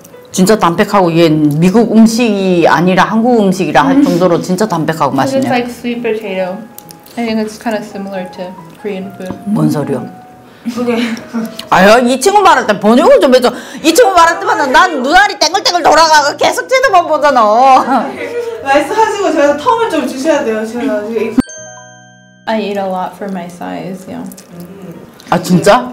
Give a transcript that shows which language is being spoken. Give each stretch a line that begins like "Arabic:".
Korean: 진짜 담백하고 얘 미국 음식이 아니라 한국 음식이라 할 정도로 진짜 담백하고 맛있네.
English: It's like sweet potato. I think it's kind of similar to Korean food.
Korean: 뭔 소리야? 아유 이 친구 말할 때 번역을 좀 해줘. 이 친구 말할 때마다 난 눈알이 땡글땡글 돌아가고 계속 쳐다만 보잖아. 말씀하시고 제가 텀을 좀 주셔야 돼요. 제가
English: I eat a lot for my size. Yeah.
Korean: 아 진짜?